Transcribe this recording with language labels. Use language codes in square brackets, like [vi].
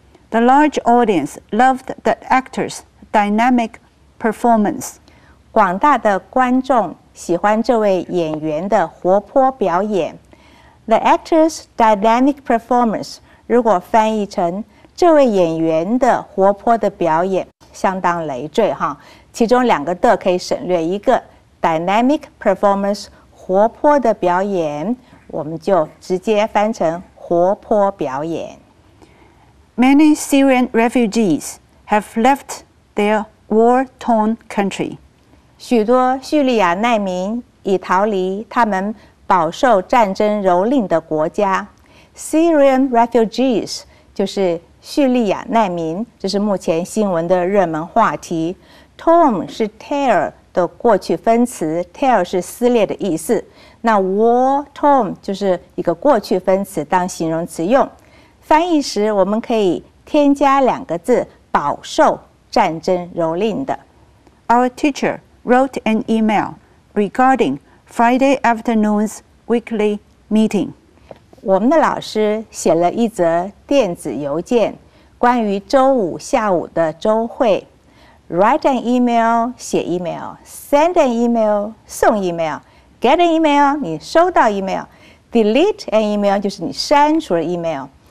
[en] The large audience loved the actor's dynamic performance. [zh] 广大的观众喜欢这位演员的活泼表演。 [en] The actor's dynamic performance [zh] 如果翻译成这位演员的活泼的表演，相当累赘哈。其中两个的可以省略一个 [en] dynamic performance， [zh] 活泼的表演，我们就直接翻成活泼表演。 [en] Many Syrian refugees have left their war-torn country. [zh] 许多叙利亚难民已逃离他们饱受战争蹂躏的国家。 [en] Syrian refugees [zh] 就是叙利亚难民，这是目前新闻的热门话题。 Torn 是 tear。的过去分词 tear 是撕裂的意思，那 war torn 就是一个过去分词当形容词用。翻译时我们可以添加两个字，饱受战争蹂躏的。 [en] Our teacher wrote an email regarding Friday afternoon's weekly meeting. [zh] 我们的老师写了一则电子邮件，关于周五下午的周会。 [en] Write an email, [zh] 写 [en] email. Send an email, [zh] 送 [en] email. Get an email, [zh] 你收到 [en] email. Delete an email, [zh] 就是你删除了 [en] email.